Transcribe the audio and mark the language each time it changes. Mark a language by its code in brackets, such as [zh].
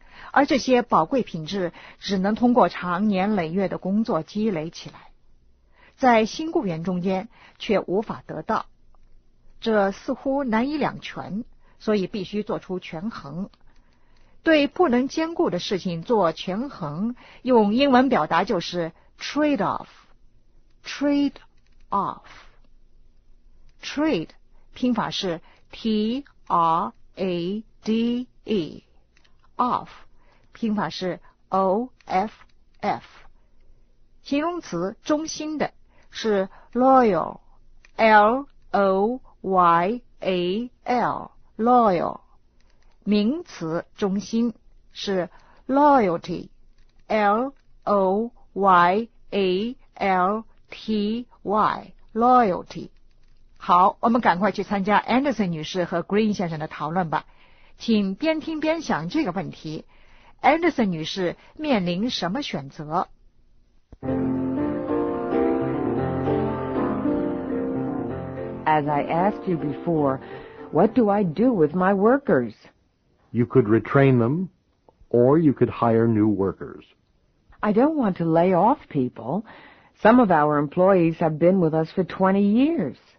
[zh] 而这些宝贵品质只能通过长年累月的工作积累起来，在新雇员中间却无法得到。这似乎难以两全，所以必须做出权衡。对不能兼顾的事情做权衡，用英文表达就是 trade-off。 [en] Trade-off. [zh] Trade, 拼法是 T-R-A-D-E. Off, 拼法是 O-F-F. 形容词忠心的是 loyal, L-O-Y-A-L, loyal. 名词忠心是 loyalty, L-O-Y-A-L,T-Y, loyalty. 好，我们赶快去参加 Anderson 女士和 Green 先生的讨论吧。请边听边想这个问题。 Anderson 女士面临什么选择？ [en] As I asked you before, what do I do with my workers? You could retrain them, or you could hire new workers. I don't want to lay off people. Some of our employees have been with us for 20 years.